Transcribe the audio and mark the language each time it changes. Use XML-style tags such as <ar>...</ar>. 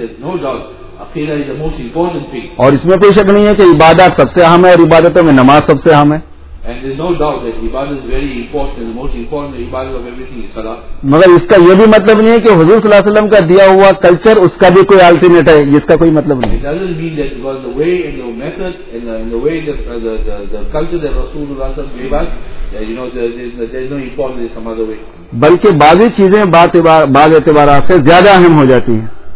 <ur>اور اس میں کوئی شک نہیں ہے کہ عبادت سب سے اہم ہے, اور عبادتوں میں نماز سب سے اہم ہے.</ur> <en>And there is no doubt that ibadah is very important, the most important ibadah of everything is salah.</en> <ur>مگر اس کا یہ بھی مطلب نہیں ہے کہ حضور صلی اللہ علیہ وسلم کا دیا ہوا کلچر اس کا بھی کوئی الٹیمیٹ ہے, اس کا کوئی مطلب نہیں.</ur> <en>It doesn't mean that because the way and the method and the way the culture that رسول اللہ صلی اللہ علیہ وسلم gave us, you know, there is no importance in some other way.</en> <ur>بلکہ بعض چیزیں بعض اعتبار سے زیادہ اہم ہو جاتی ہیں.</ur>